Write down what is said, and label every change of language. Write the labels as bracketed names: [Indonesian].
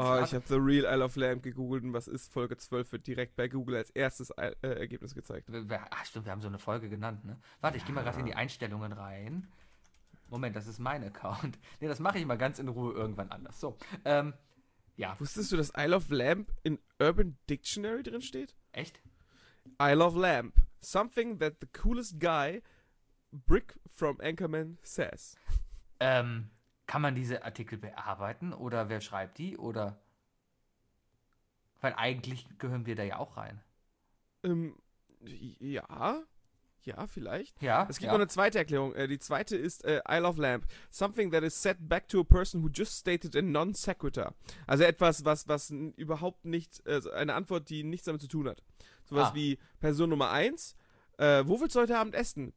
[German] Oh, ich habe The Real Isle of Lamb gegoogelt und was ist? Folge 12 wird direkt bei Google als erstes Ergebnis gezeigt. Ach stimmt, wir haben so eine Folge genannt, ne? Warte, ja. Ich gehe mal gerade in die Einstellungen rein. Moment, das ist mein Account. Ne, das mache ich mal ganz in Ruhe irgendwann anders. So, ja. Wusstest du, dass Isle of Lamb in Urban Dictionary drin steht? Echt? Isle of Lamb. [English] Something that the coolest guy, Brick from Anchorman, says. [German] Kann man diese Artikel bearbeiten? Oder wer schreibt die? Oder? Weil eigentlich gehören wir da ja auch rein. Ja. Ja, vielleicht. Ja, es gibt noch eine zweite Erklärung. Die zweite ist Isle of Lamb. [English] Something that is said back to a person who just stated a non sequitur. [German] Also etwas, was überhaupt nicht, eine Antwort, die nichts damit zu tun hat. Sowas wie Person Nummer 1, wo willst du heute Abend essen?